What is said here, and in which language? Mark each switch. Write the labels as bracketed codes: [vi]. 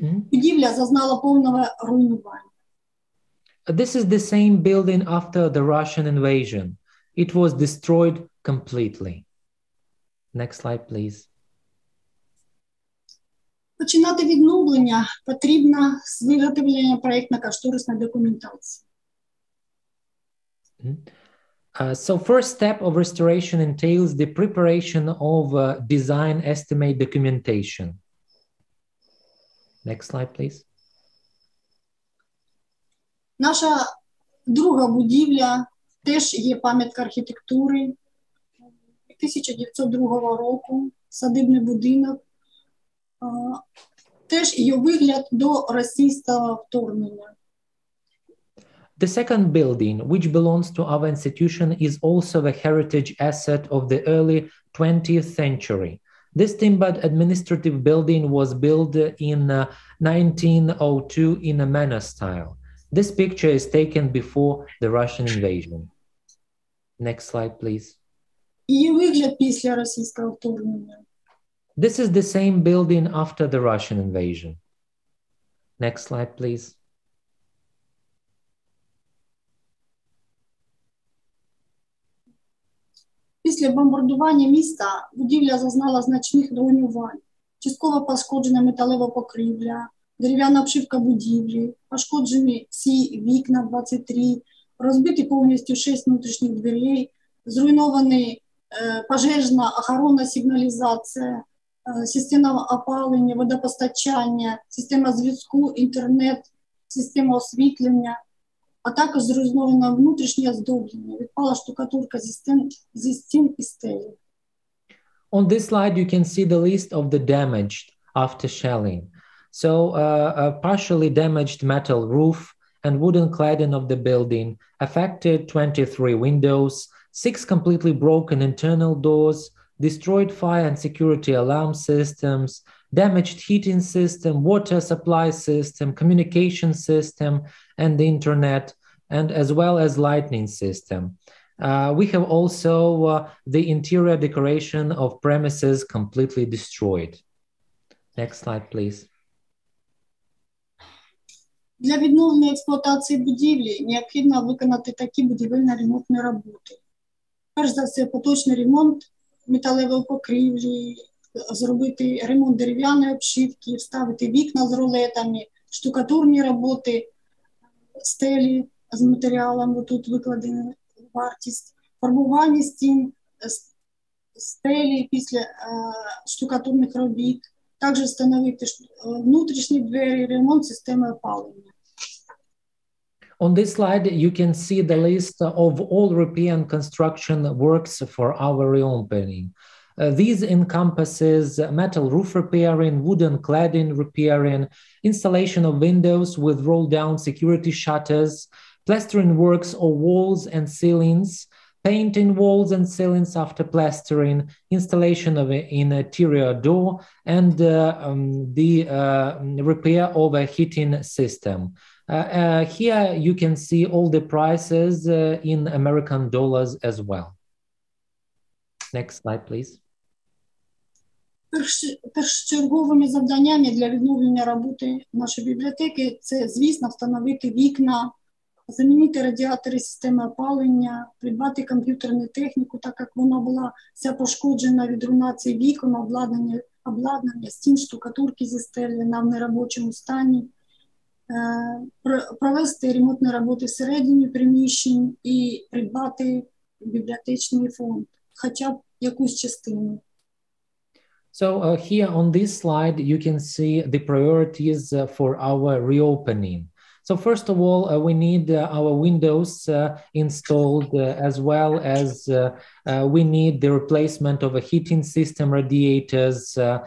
[uk] Будівля зазнала повного руйнування. [en] This is the same building after the Russian invasion. It was destroyed completely. Next slide, please. [uk] Починати відновлення потрібно з виготовлення проєктно-кошторисної документації. [en] So first step of restoration entails the preparation of design estimate documentation. Next slide, please. [uk] Наша друга будівля теж є пам'ятка архітектури 1902 року, садибний будинок. Теж її вигляд до російського вторгнення. [en] The second building, which belongs to our institution, is also a heritage asset of the early 20th century. This timbered administrative building was built in 1902 in a manor style. This picture is taken before the Russian invasion. Next slide, please. [uk] Її вигляд після російського вторгнення. [en] This is the same building after the Russian invasion. Next slide, please. [uk] Після бомбардування міста будівля зазнала значних руйнувань. Частково пошкоджена металева покрівля, дерев'яна обшивка будівлі, пошкоджені всі вікна 23, розбиті повністю 6 внутрішніх дверей, зруйновані пожежна охорона, сигналізація, система опалення, водопостачання, система зв'язку, інтернет, система освітлення, а також зруйновано внутрішнє оздоблення, відпала штукатурка зі стін і стелі. [en] On this slide you can see the list of the damaged after shelling. So a partially damaged metal roof and wooden cladding of the building, affected 23 windows, 6 completely broken internal doors, destroyed fire and security alarm systems, damaged heating system, water supply system, communication system, and the internet, and as well as lighting system. We have also the interior decoration of premises completely destroyed. Next slide, please. [uk] Для відновлення експлуатації будівлі необхідно виконати такі будівельно-ремонтні роботи. Перш за все, поточний ремонт металевої покрівлі, зробити ремонт дерев'яної обшивки, вставити вікна з рулетами, штукатурні роботи, стелі з матеріалом, тут викладена вартість, фарбування стін, стелі після штукатурних робіт, також встановити внутрішні двері, ремонт системи опалення. [en] On this slide, you can see the list of all repair and construction works for our reopening. These encompasses metal roof repairing, wooden cladding repairing, installation of windows with roll-down security shutters, plastering works of walls and ceilings, painting walls and ceilings after plastering, installation of an interior door, and the repair of a heating system. Here you can see all the prices in American dollars as well. Next slide, please. [uk] Першочерговими завданнями для відновлення роботи нашої бібліотеки – це, звісно, встановити вікна, замінити радіатори системи опалення, придбати комп'ютерну техніку, так як вона була вся пошкоджена від руйнації вікон, обладнання, стін, штукатурки зі стелі, на неробочому стані, провести ремонтні роботи всередині приміщень і придбати бібліотечний фонд, хоча б якусь частину. [en] So here on this slide, you can see the priorities for our reopening. So first of all, we need our windows installed, as well as we need the replacement of a heating system radiators.